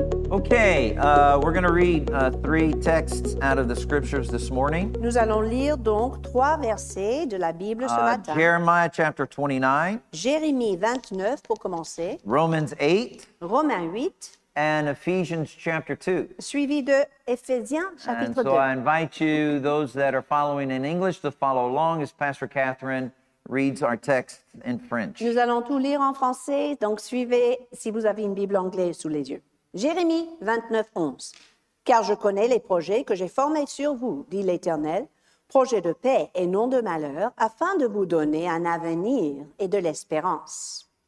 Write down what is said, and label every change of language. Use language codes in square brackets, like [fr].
[en] Okay, we're going to read three texts out of the scriptures this morning. [fr] Nous allons lire donc trois versets de la Bible ce matin. [en] Jeremiah chapter 29. [fr] Jérémie 29 pour commencer. [en] Romans 8. [fr] Romains 8. [en] And Ephesians chapter 2. [fr] Suivi de Éphésiens chapitre [en] And so I invite you, those that are following in English, to follow along as Pastor Kathryn reads our text in French. [fr] Nous allons tout lire en français, donc suivez si vous avez une Bible anglaise sous les yeux. Jérémie 29, 11. Car je connais les projets que j'ai formés sur vous, dit l'Éternel, projets de paix et non de malheur, afin de vous donner un avenir et de l'espérance.